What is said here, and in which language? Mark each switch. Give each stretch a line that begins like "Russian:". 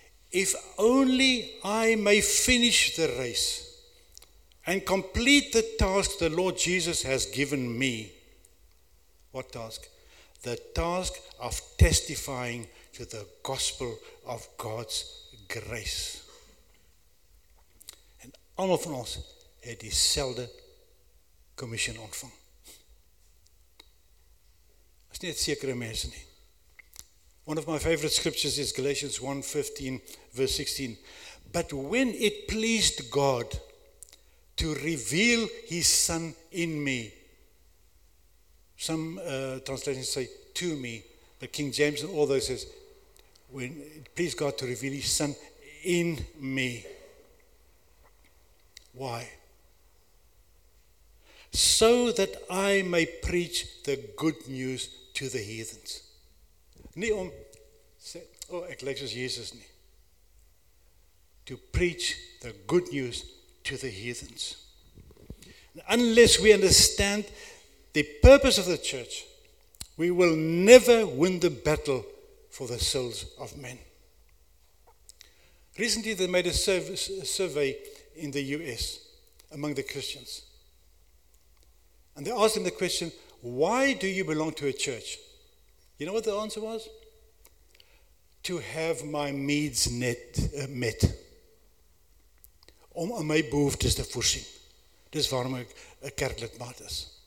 English: If only I may finish the race and complete the task the Lord Jesus has given me. What task? The task of testifying to the gospel of God's grace.
Afrikaans: Almal van ons het dieselfde commission ontvang. Dit is net sekere mense nie.
English: One of my favorite scriptures is Galatians 1:15, verse 16. But when it pleased God to reveal his son in me, some translations say to me, the King James and all those says, when it pleased God to reveal his son in me, why? So that I may preach the good news to the heathens.
Afrikaans: Nie om sê, oh, ek lyk soos Jesus nie.
English: To preach the good news to the heathens. Unless we understand the purpose of the church, we will never win the battle for the souls of men. Recently, they made a survey in the US among the Christians. And they asked them the question, why do you belong to a church? You know what the answer was? To have my needs met.
Afrikaans: Om aan my behoeftes te voorsien. Dis waarom ek 'n kerklidmaat is.